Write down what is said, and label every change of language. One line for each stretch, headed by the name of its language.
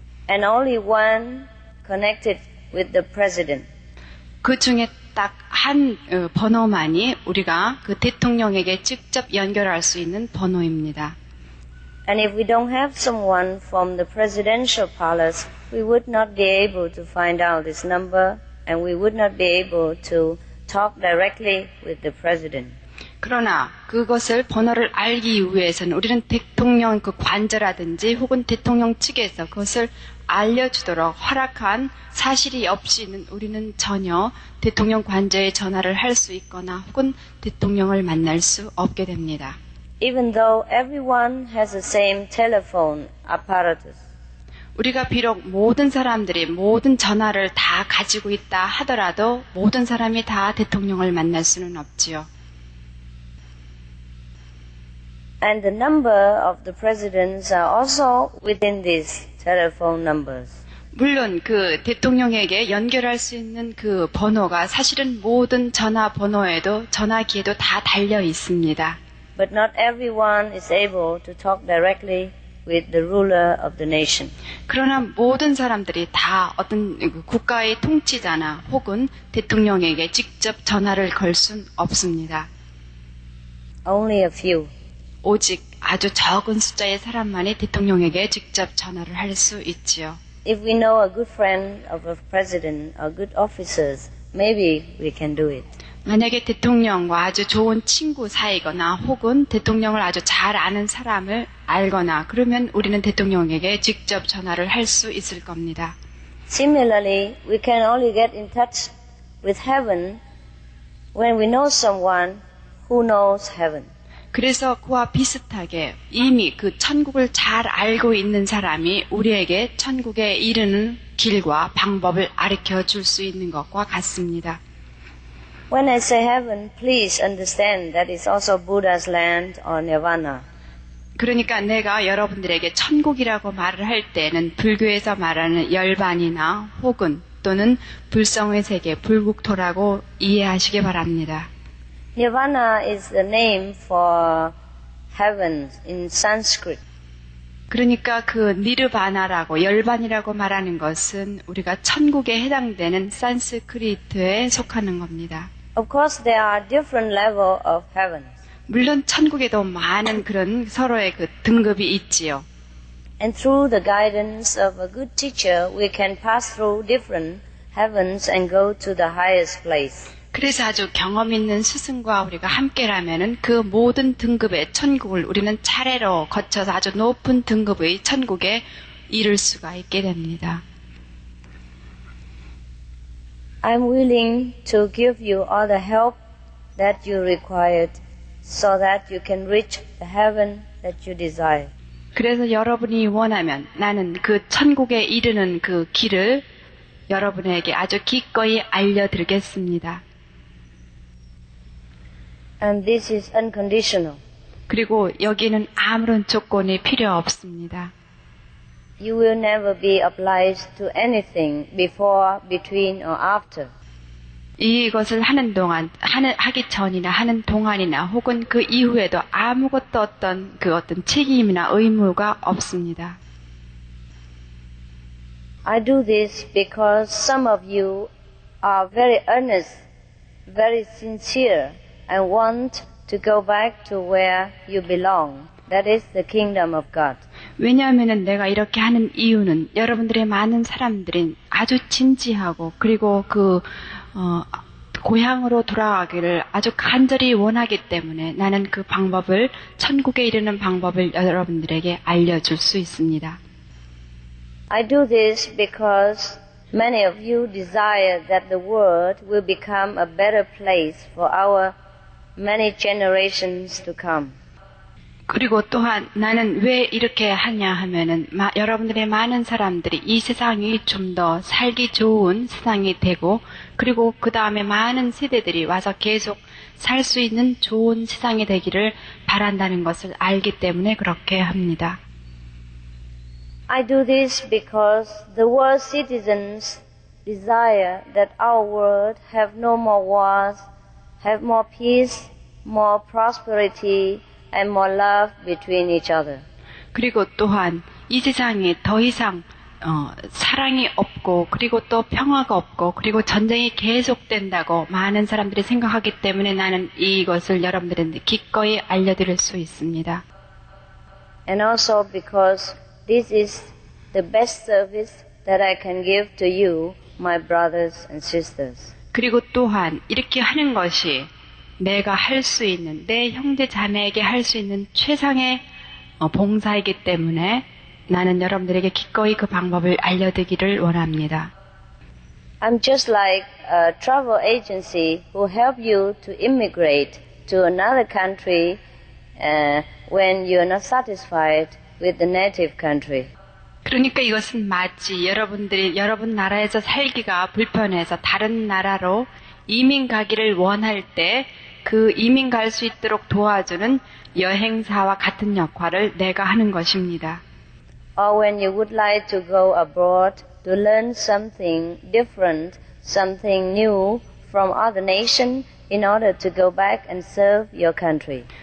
English: And only one connected with the president.
Korean: 그 중에 딱 한 번호만이 우리가 그 대통령에게 직접 연결할 수 있는 번호입니다.
English: And if we don't have someone from the presidential palace, we would not be able to find out this number, and we would not be able to talk directly with the president.
Korean: 그러나 그것을 번호를 알기 위해서는 우리는 대통령 그 관저라든지 혹은 대통령 측에서 그것을 알려주도록 허락한 사실이 없이는 우리는 전혀 대통령 관저에 전화를 할 수 있거나 혹은 대통령을 만날 수 없게 됩니다.
English: Even though everyone has the same telephone apparatus.
Korean: 우리가 비록 모든 사람들이 모든 전화를 다 가지고 있다 하더라도 모든 사람이 다 대통령을 만날 수는 없지요.
English: And the number of the presidents are also within these telephone numbers.
Korean: 물론 그 대통령에게 연결할 수 있는 그 번호가 사실은 모든 전화번호에도 전화기에도 다 달려 있습니다.
English: But not everyone is able to talk directly with the ruler of the nation.
Korean: 그러나 모든 사람들이 다 어떤 국가의 통치자나 혹은 대통령에게 직접 전화를 걸 순 없습니다.
English: Only a few.
Korean: 오직 아주 적은 숫자의 사람만이 대통령에게 직접 전화를 할 수 있지요.
English: If we know a good friend of a president or good officers, maybe we can do it.
Korean: 만약에 대통령과 아주 좋은 친구 사이거나 혹은 대통령을 아주 잘 아는 사람을 알거나 그러면 우리는 대통령에게 직접 전화를 할 수 있을 겁니다.
English: Similarly, we can only get in touch with heaven when we know someone who knows heaven.
Korean: 그래서 그와 비슷하게 이미 그 천국을 잘 알고 있는 사람이 우리에게 천국에 이르는 길과 방법을 가르쳐 줄 수 있는 것과 같습니다.
English: When I say heaven, please understand that it's also Buddha's land or Nirvana.
Korean: 그러니까 내가 여러분들에게 천국이라고 말을 할 때는 불교에서 말하는 열반이나 혹은 또는 불성의 세계, 불국토라고 이해하시기 바랍니다.
English: Nirvana is the name for heaven in Sanskrit.
Korean: 그러니까 그 니르바나라고 열반이라고 말하는 것은 우리가 천국에 해당되는 산스크리트에 속하는 겁니다.
English: Of course, there are different levels of heaven.
Korean: 물론 천국에도 많은 그런 서로의 그 등급이 있지요.
English: And through the guidance of a good teacher, we can pass through different heavens and go to the highest place.
Korean: 그래서 아주 경험 있는 스승과 우리가 함께라면은 그 모든 등급의 천국을 우리는 차례로 거쳐서 아주 높은 등급의 천국에 이를 수가 있게 됩니다.
English: I'm willing to give you all the help that you required so that you can reach the heaven that you desire.
Korean: 그래서 여러분이 원하면 나는 그 천국에 이르는 그 길을 여러분에게 아주 기꺼이 알려드리겠습니다.
English: And this is unconditional.
Korean: 그리고 여기는 아무런 조건이 필요 없습니다.
English: You will never be obliged to anything before, between, or after.
Korean: 이것을 하는 동안, 하기 전이나 하는 동안이나 혹은 그 이후에도 아무것도 어떤 그 어떤 책임이나 의무가 없습니다.
English: I do this because some of you are very earnest, very sincere. I want to go back to where you belong. That is the kingdom of God.
Korean: 왜냐하면 내가 이렇게 하는 이유는 여러분들의 많은 사람들이 아주 진지하고 그리고 그 고향으로 돌아가기를 아주 간절히 원하기 때문에 나는 그 방법을 천국에 이르는 방법을 여러분들에게 알려줄 수 있습니다.
English: I do this because many of you desire that the world will become a better place for our many generations to come.
Korean: 그리고 또한 나는 왜 이렇게 하냐 하면은 여러분들의 많은 사람들이 이 세상이 좀 더 살기 좋은 세상이 되고 그리고 그 다음에 많은 세대들이 와서 계속 살 수 있는 좋은 세상이 되기를 바란다는 것을 알기 때문에 그렇게 합니다.
English: I do this because the world citizens desire that our world have no more wars. Have more peace, more prosperity, and more love between each other.
Korean: 그리고 또한 이 세상에 더 이상 사랑이 없고 그리고 또 평화가 없고 그리고 전쟁이 계속된다고 많은 사람들이 생각하기 때문에 나는 이것을 여러분들에게 기꺼이 알려드릴 수 있습니다.
English: And also because this is the best service that I can give to you, my brothers and sisters.
Korean: 그리고 또한 이렇게 하는 것이 내가 할 수 있는 내 형제 자매에게 할 수 있는 최상의 봉사이기 때문에 나는 여러분들에게 기꺼이 그 방법을 알려드리기를 원합니다.
English: I'm just like a travel agency who help you to immigrate to another country when you're not satisfied with the native country.
Korean: 그러니까 이것은 마치 여러분들이 여러분 나라에서 살기가 불편해서 다른 나라로 이민 가기를 원할 때 그 이민 갈 수 있도록 도와주는 여행사와 같은 역할을 내가 하는 것입니다.
English: Or when you would like to go abroad to learn something different, something new from other nation in order to go back and serve your country.